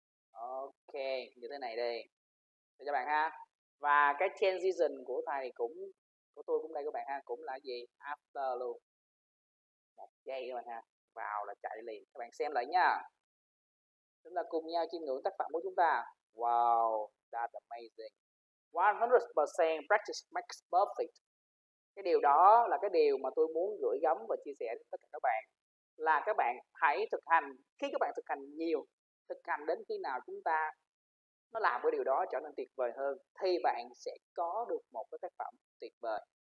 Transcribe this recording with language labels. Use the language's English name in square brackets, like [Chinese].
[Vietnamese] Ok, như thế này đi. Để cho bạn ha. Và cái transition của thầy cũng, của tôi cũng đây các bạn ha, cũng là gì, after luôn. Một giây các bạn ha, vào là chạy liền. Các bạn xem lại nha. Chúng ta cùng nhau chiêm ngưỡng tác phẩm của chúng ta. [English] Wow, that's amazing. 100% practice makes perfect. [Vietnamese] Cái điều đó là cái điều mà tôi muốn gửi gắm và chia sẻ đến tất cả các bạn, là các bạn hãy thực hành. Khi các bạn thực hành nhiều, thực hành đến khi nào chúng ta nó làm cái điều đó trở nên tuyệt vời hơn, thì bạn sẽ có được một cái tác phẩm tuyệt vời.